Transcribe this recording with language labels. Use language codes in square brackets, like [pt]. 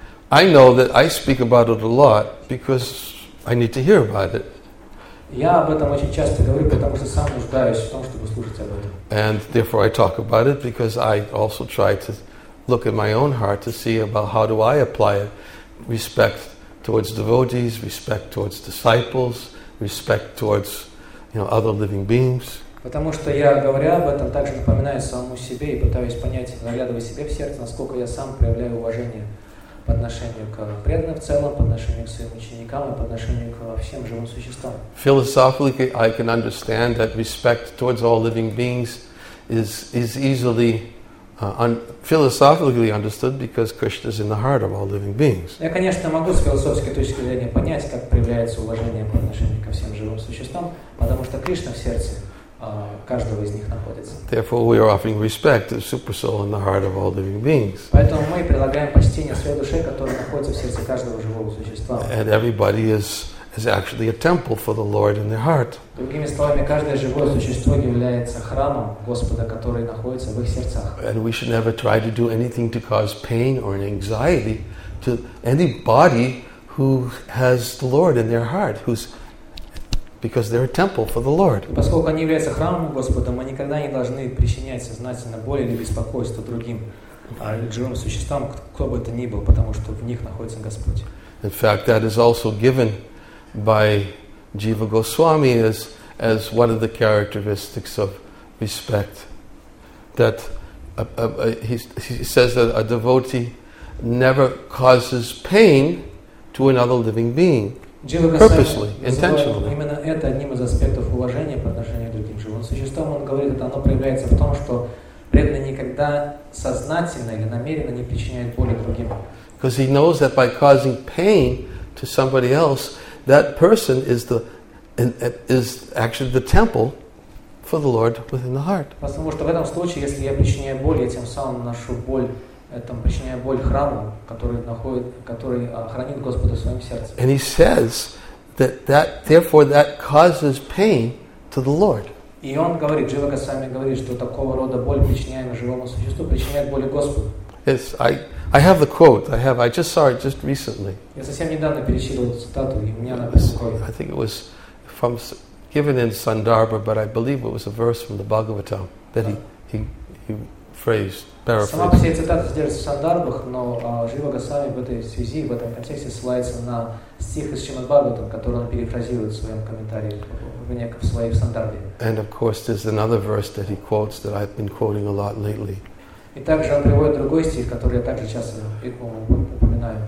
[en] I know that I speak about it a lot because I need to hear about it. [ru] Я об этом очень часто говорю, потому что сам нуждаюсь в том, чтобы слушать об этом. [en] And therefore I talk about it because I also try to look in my own heart to see about how do I apply it. Respect towards devotees, respect towards disciples, respect towards, you know, other living beings. [ru] Потому что я, говоря об этом, также напоминаю самому себе и пытаюсь понять, наглядывая себе в сердце, насколько я сам проявляю уважение по отношению к преданным в целом, по отношению к своим ученикам и по отношению к всем живым существам. [en] Philosophically, I can understand that respect towards all living beings is easily philosophically understood because Krishna is in the heart of all living beings. [ru] Я, конечно, могу с философской точки зрения понять, как проявляется уважение по отношению ко всем живым существам, потому что Кришна в сердце каждого из них находится. [en] Therefore, we are offering respect to the super soul in the heart of all living beings. [ru] Поэтому мы предлагаем почтение своей душе, которая находится в сердце каждого живого существа. [en] And everybody is actually a temple for the Lord in their heart. [ru] Другими словами, каждое живое существо является храмом Господа, который находится в их сердцах. [en] And we should never try to do anything to cause pain or anxiety to anybody who has the Lord in their heart, who's because they're a temple for the Lord. [ru] Поскольку они являются храмом Господа, мы никогда не должны причинять сознательно боль или беспокойство другим живым существам, кто бы это ни был, потому что в них находится Господь. [en] In fact, that is also given by Jiva Goswami as one of the characteristics of respect. That he says that a devotee never causes pain to another living being. purposely, intentionally. [ru] Именно это одним из аспектов уважения по отношению к другим живым существам. Он говорит, это оно проявляется в том, что преданный никогда сознательно или намеренно не причиняет боли другим. [en] Because he knows that by causing pain to somebody else, that person is the is actually the temple for the Lord within the heart. [ru] Потому что в этом случае, если я причиняю боль, я тем самым наношу боль, этом причиняю боль храму, который находит, который хранит Господа в своем сердце. [en] And he says that therefore that causes pain to the Lord. [ru] И он говорит, Джива Госвами говорит, что такого рода боль, причиняемая живому существу, причиняет боль Господу. [en] Yes, I have the quote. I just saw it just recently. [ru] Я совсем недавно перечитывал цитату, и у меня она приходит. [en] I think it was from given in Sandarbha, but I believe it was a verse from the Bhagavatam that he phrased, paraphrased. [ru] Сама по себе цитата содержится в Сандарбах, но Джива Госвами в этой связи, в этом контексте ссылается на стих из Шримад Бхагаватам, который он перефразирует в своем комментарии. [en] And of course, there's another verse that he quotes that I've been quoting a lot lately. [ru] И также он приводит другой стих, который я также часто упоминаю.